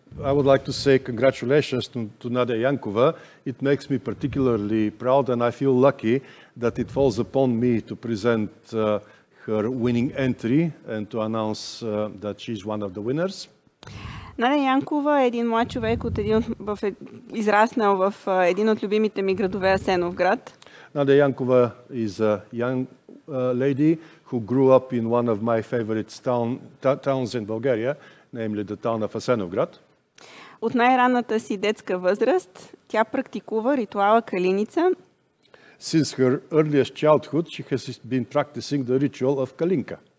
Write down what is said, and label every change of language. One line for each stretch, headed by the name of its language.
English: I would like to say congratulations to Nadia Jankova. It makes me particularly proud and I feel lucky that it falls upon me to present her winning entry and to announce that she's one of the winners.
Bulgarian: Надя Янкова е един млад човек, израснал в един от любимите ми градове, Асеновград.
English: Надя Янкова is a young lady who grew up in one of my favorite towns in Bulgaria, namely the town of Асеновград.
Bulgarian: От най-ранната си детска възраст тя практикува ритуала Калиница.
English: Since her earliest childhood, she has been practicing the ritual of Калинка.